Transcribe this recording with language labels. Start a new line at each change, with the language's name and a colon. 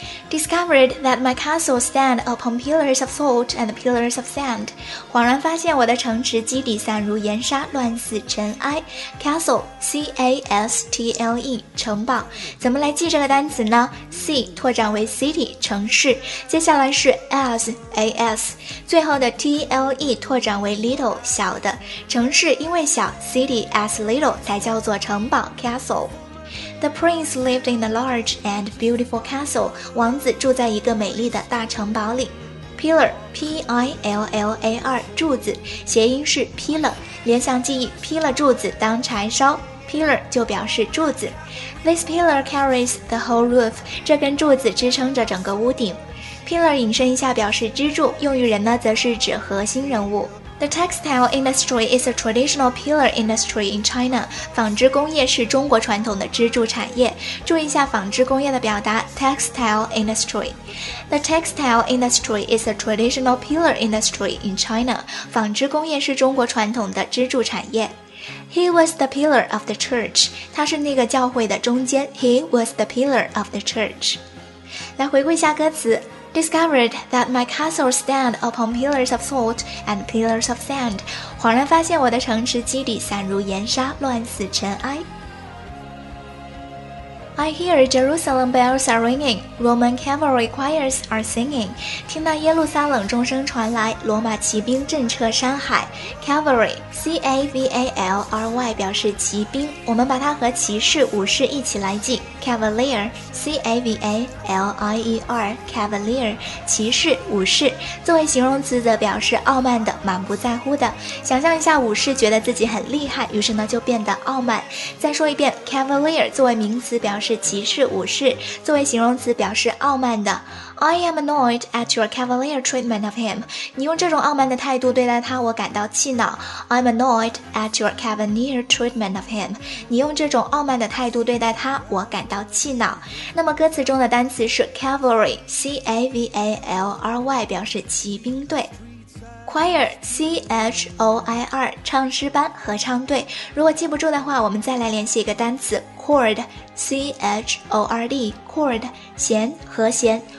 English: Discovered that my castle stand upon pillars of salt and pillars of sand.
Chinese: 恍然发现我的城池基底散如岩沙，乱似尘埃。 Castle, C-A-S-T-L-E, 城堡。怎么来记这个单词呢？C 拓展为 city, 城市。接下来是 as, A-S。最后的 T-L-E 拓展为 little, 小的。城市因为小，
English: city as little
Chinese: 才叫做城堡 ,castle。
English: The prince lived in a large and beautiful castle.
Chinese: 王子住在一个美丽的大城堡里。 Pillar, P-I-L-L-A-R, 柱子，谐音是 pillar, 联想记忆 pillar 柱子当柴烧。 Pillar 就表示柱子。
English: This pillar carries the whole roof.
Chinese: 这根柱子支撑着整个屋顶。 Pillar 引申一下表示支柱，用于人呢则是指核心人物。
English: The textile industry is a traditional pillar industry in China.
Chinese: 纺织工业是中国传统的支柱产业。注意一下纺织工业的表达 textile industry.
English: The textile industry is a traditional pillar industry in China.
Chinese: 纺织工业是中国传统的支柱产业。
English: He was the pillar of the church.
Chinese: 他是那个教会的中间。
English: He was the pillar of the church.
Chinese: 来回顾一下歌词。
English: Discovered that my castle stand upon pillars of salt and pillars of sand.
Chinese: 恍然发现我的城池基底散如岩沙，乱似尘埃。
English: I hear Jerusalem bells are ringing, Roman cavalry choirs are singing.
Chinese: 听到耶路撒冷钟声传来，罗马骑兵震彻山海。 Cavalry, C-A-V-A-L-R-Y 表示骑兵，我们把它和骑士、武士一起来记。 Cavalier, C-A-V-A-L-I-E-R, Cavalier, 骑士、武士。作为形容词则表示傲慢的、满不在乎的。想象一下武士觉得自己很厉害，于是呢就变得傲慢。再说一遍 ,Cavalier 作为名词表示骑士、武士，作为形容词表示傲慢的。
English: I am annoyed at your cavalier treatment of him.
Chinese: 你用这种傲慢的态度对待他，我感到气恼。
English: I'm annoyed at your cavalier treatment of him.
Chinese: 你用这种傲慢的态度对待他，我感到气恼。那么歌词中的单词是 cavalry, C-A-V-A-L-R-Y, 表示骑兵队。 Choir, C-H-O-I-R, 唱诗班、合唱队。如果记不住的话，我们再来练习一个单词 chord, C-H-O-R-D, chord, 弦、和弦。